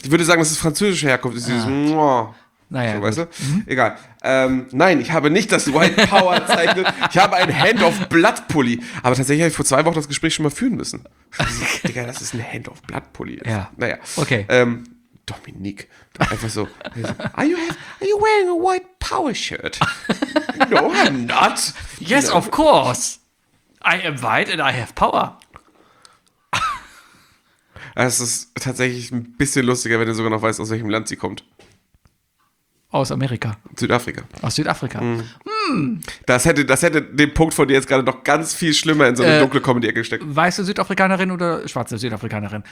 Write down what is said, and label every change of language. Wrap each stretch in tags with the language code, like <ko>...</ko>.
<de>Ich würde sagen, das ist französische Herkunft, ist dieses Mwah. Naja, so, weißt du? Egal. Nein, ich habe nicht das White Power Zeichen. Ich habe ein Hand of Blood Pulli. Aber tatsächlich habe ich vor 2 Wochen das Gespräch schon mal führen müssen. Digga, das ist ein Hand of Blood Pulli. Ja. Naja. Okay. Dominik. Einfach so.</de> <en>Are you wearing a White Power Shirt? No, I'm not. Yes, you know, of course. I am white and I have power.</en> <de>Es ist tatsächlich ein bisschen lustiger, wenn du sogar noch weißt, aus welchem Land sie kommt. Aus Amerika. Südafrika. Aus Südafrika. Mm. Das hätte den Punkt von dir jetzt gerade noch ganz viel schlimmer in so eine dunkle Comedy gesteckt. Weiße Südafrikanerin oder schwarze Südafrikanerin?</de>